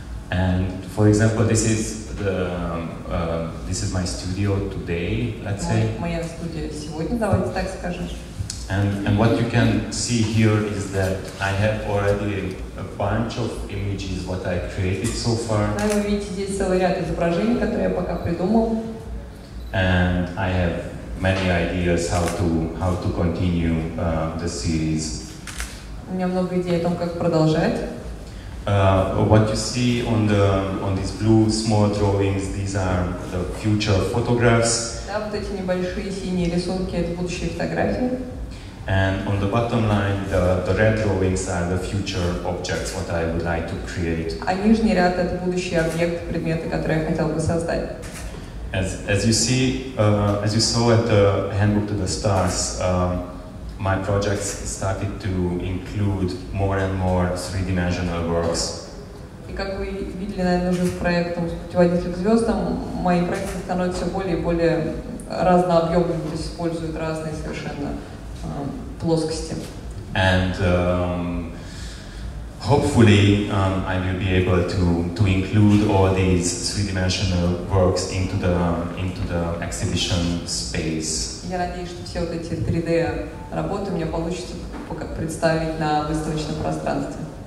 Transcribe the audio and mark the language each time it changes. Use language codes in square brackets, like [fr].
[en] And for example, this is the this is my studio today, let's say. [ru] Моя студия сегодня, давайте так скажем. [en] And what you can see here is that I have already a bunch of images what I created so far. [ru] Да, вы видите здесь целый ряд изображений, которые я пока придумал. [en] And I have many ideas how to continue the series. [ru] У меня много идей о том, как продолжать. [en] What you see on these blue small drawings, these are the future photographs. [ru] Да, вот эти небольшие синие рисунки — это будущие фотографии. [en] And on the bottom line, the red drawings are the future objects what I would like to create. [ru] А нижний ряд — это будущие объекты, предметы, которые я хотел бы создать. [en] As you saw at the Handbook to the Stars, my projects started to include more and more three-dimensional works. [ru] И как вы видели, наверное, уже с проектом «Путеводитель к звездам», мои проекты становятся все более и более разнообъемными, то есть используют разные совершенно плоскости. [en] And hopefully I will be able to include all these three-dimensional works into the exhibition space. [ru] Я надеюсь, что все вот эти 3D работы у меня получится представить на выставочном пространстве.